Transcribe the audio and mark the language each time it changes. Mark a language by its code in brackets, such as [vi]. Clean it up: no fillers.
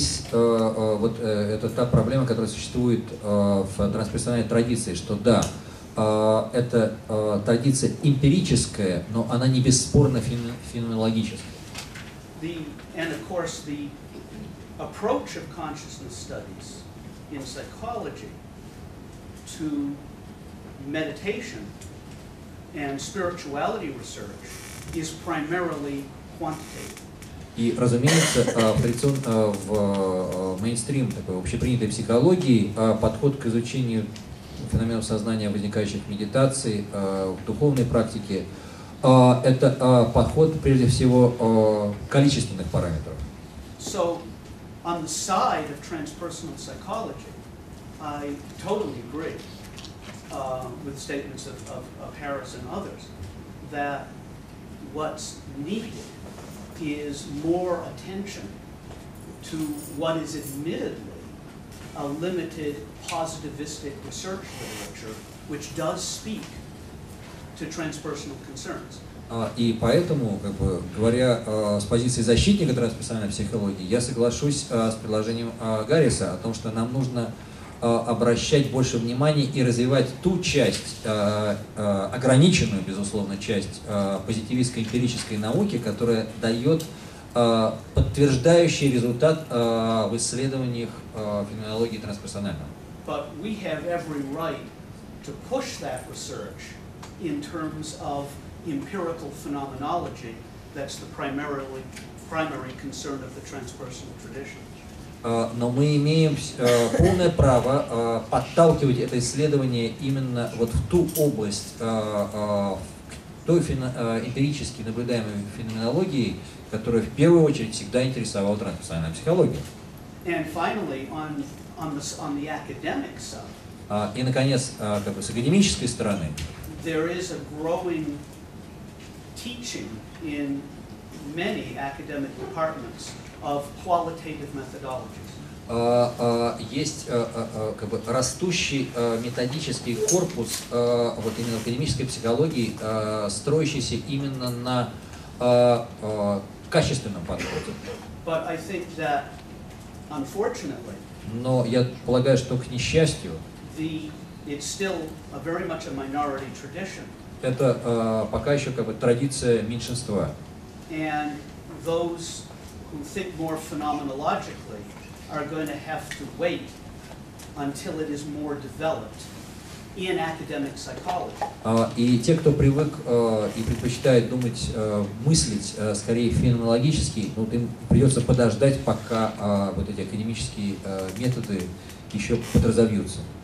[ru] И здесь это та проблема, которая существует в трансперсональной традиции, что да, это традиция эмпирическая, но она не бесспорно феноменологическая. [en] And of course the approach of consciousness studies in psychology to meditation and spirituality research is primarily quantitative. [ru] И, разумеется, в мейнстрим такой общепринятой психологии подход к изучению феноменов сознания, возникающих в медитации, в духовной практике, это подход, прежде всего, количественных параметров. [en] So, on the side of transpersonal psychology, I totally agree with statements of Harris and others that what's needed is more attention to what is admittedly a limited positivistic research literature, which does speak to transpersonal concerns. [ru] И поэтому, как бы говоря с позиции защитника трансперсональной психологии, я соглашусь с предложением Гарриса о том, что нам нужно обращать больше внимания и развивать ту часть, ограниченную, безусловно, часть позитивистской эмпирической науки, которая дает подтверждающий результат в исследованиях феноменологии трансперсонального. [en] But we have every right to push that research in terms of empirical phenomenology that's the primary concern of the transpersonal tradition. [ru] Но мы имеем полное право подталкивать это исследование именно вот в ту область, к той эмпирически наблюдаемой феноменологии, которая в первую очередь всегда интересовала трансперсональную психологию. [en] And finally, on the academic side, [ru] и, наконец, как бы с академической стороны, [en] there is a growing teaching in many academic departments of qualitative methodologies. [ru] Есть как бы растущий методический корпус вот именно в академической психологии, строящийся именно на качественном подходе. [en] But I think that unfortunately, [ru] но я полагаю, что к несчастью, [en] it's still a very much a minority tradition. [ru] Это пока еще как бы традиция меньшинства. [en] And those who think more phenomenologically are going to have to wait until it is more developed in academic psychology. [ru] И те, кто привык и предпочитает думать, мыслить скорее феноменологически, ну, им придется подождать, пока вот эти академические методы еще подразовьются.